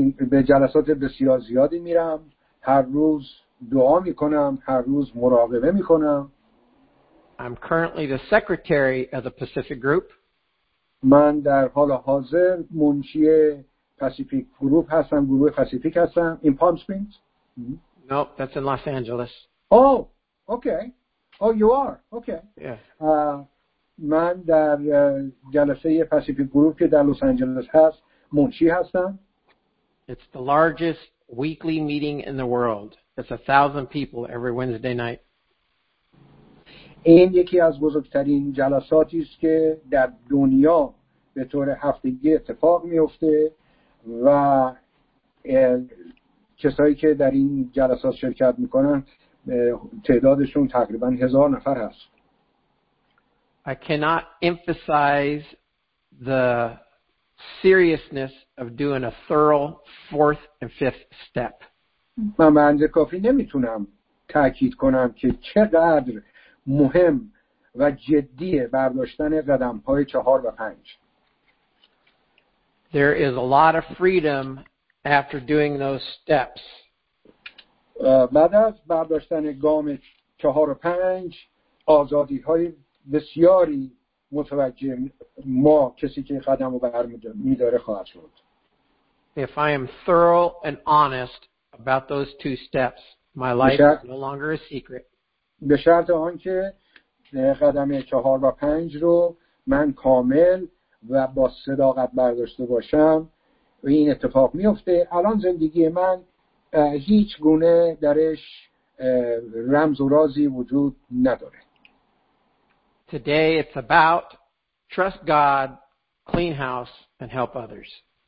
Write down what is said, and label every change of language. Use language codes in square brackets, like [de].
[fa] به جلسات بسیار زیادی میرم. هر روز دعا میکنم. هر روز مراقبه میکنم. [en] I'm currently the secretary of the Pacific Group. [fa] من در حال حاضر منشی پاسیفیک گروپ هستم. گروه پاسیفیک هستم. [en] In Palm Springs. Nope, that's in Los Angeles. Oh, okay. Oh, you are. Okay. Yeah. [fa] من در جلسه پاسیفیک گروپ که در لس آنجلس هست منشی هستم. [en] It's the largest weekly meeting in the world. It's 1,000 people every Wednesday night. [fa] این یکی از بزرگترین جلساتی است که در دنیا به طور هفتگی اتفاق میفته و کسایی که در این جلسات شرکت میکنن تعدادشون تقریبا 1,000 نفر هست. [en] I cannot emphasize the seriousness of doing a thorough fourth and fifth step. [fa] من به اندازه کافی نمیتونم تأکید کنم که چقدر مهم و جدیه برداشتن قدم های 4 و 5. [en] There is a lot of freedom after doing those steps. [fa] بعد از برداشتن گام 4 و 5 آزادی های بسیاری متوجه ما کسی که قدم رو برمی‌داره خواهد شد. [en] If I am thorough and honest about those 2 steps, my life is no longer a secret. [fa] به شرط آنکه قدم 4 و 5 رو من کامل و با صداقت برداشته باشم و این اتفاق میفته. الان زندگی من هیچ گونه درش رمز و رازی وجود نداره. [en] Today it's about trust God, clean house, and help others.